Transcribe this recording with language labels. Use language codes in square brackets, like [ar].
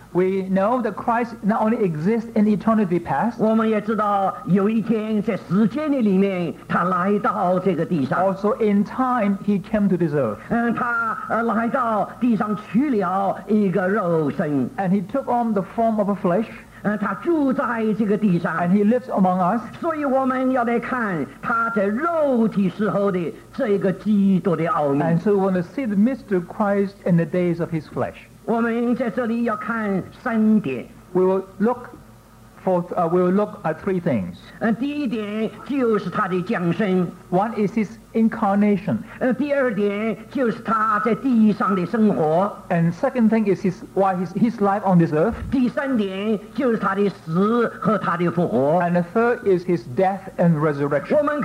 [en] We know that Christ not only exists in eternity past. [zh] 我们也知道有一天在时间的里面，他来到这个地上。 [en] Also in time, he came to this earth. [zh] 他来到地上取了一个肉身。 [en] And he took on the form of a flesh. [zh] 他住在这个地上, [en] and he lives among us. [zh] 所以我们要来看他在肉体时候的这个基督的奥秘。 [en] And so we want to see the mystery of Christ in the days of his flesh. [zh] 我们在这里要看三点。 [en] We will look at three things. [zh] 第一点就是他的降生。 [en] One is his incarnation. [zh] 第二点就是他在地上的生活。 [en] And second thing is his life on this earth. [zh] 第三点就是他的死和他的复活。 [en] And the third is his death and resurrection.